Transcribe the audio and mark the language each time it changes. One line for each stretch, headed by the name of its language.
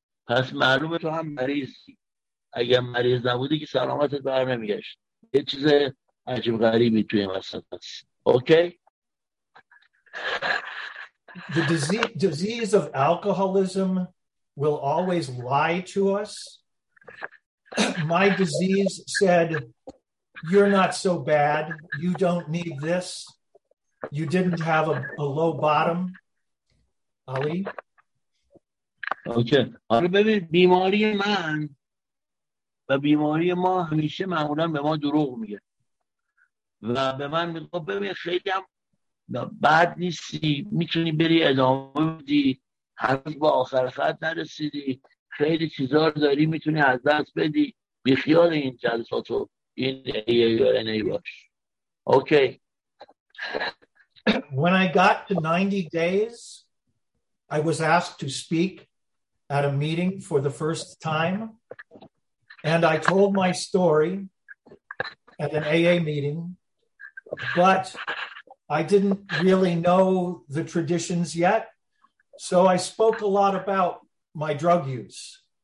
Persian: پس معلومه تو هم مریضی. اگه مریض نبودی که سلامتت بر نمیگشت. یه چیز عجیب غریبی توی مسئله هست.
English: Okay? The disease of alcoholism will always lie to us. My disease said, you're not so bad. You don't need this. You didn't have a low bottom. Ali? Okay.
Persian: حالا ببین بیماری من و بیماری ما همیشه معمولا به ما دروغ میگه. و به من میگه ببین خیلی هم بد نیستی. میتونی بری ادامه بدی. هنوز با آخر خط نرسیدی. خیلی چیزا رو داری میتونی از دست بدی. بی خیال این جلسات و این ای باش.
English: Okay. When I got to 90 days, I was asked to speak at a meeting for the first time, and I told my story at an AA meeting, but I didn't really know the traditions yet, so I spoke a lot about my drug use.